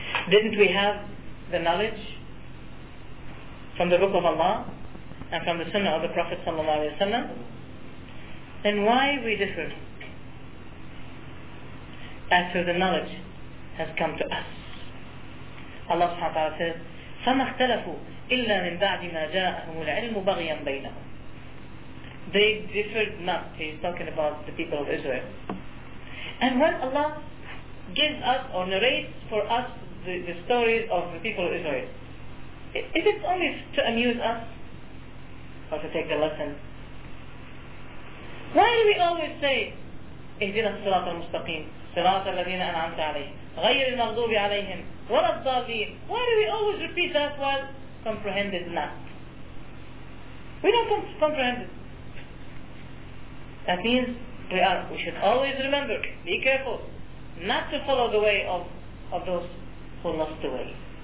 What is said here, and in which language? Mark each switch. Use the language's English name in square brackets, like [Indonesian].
[English] Didn't we have the knowledge from the book of Allah and from the sunnah of the Prophet sallallahu alaihi wasallam? Then why we differ after the knowledge has come to us? Allah subhanahu wa ta'ala says, [Arabic] فَمَا اخْتَلَفُوا إِلَّا مِنْ بَعْدِ مَا جَاءَهُمُ الْعِلْمُ بَغْيًا بَيْنَهُمْ. [English] They differed not. He's talking about the people of Israel. And when Allah gives us or narrates for us the stories of the people of Israel, is it only to amuse us or to take the lesson? Why do we always say, [Arabic] اِهْدِنَا الصِّرَاطَ الْمُسْتَقِيمِ صِرَاطَ الَّذِينَ أَنْعَمْتَ عَلَيْهِمْ غَيْرِ الْمَغْضُوبِ عَلَيْهِمْ وَلَا الضَّالِّينَ. [English] Why do we always repeat that while comprehended not? We don't comprehend it. That means we should always remember, be careful, not to follow the way of those who lost the way.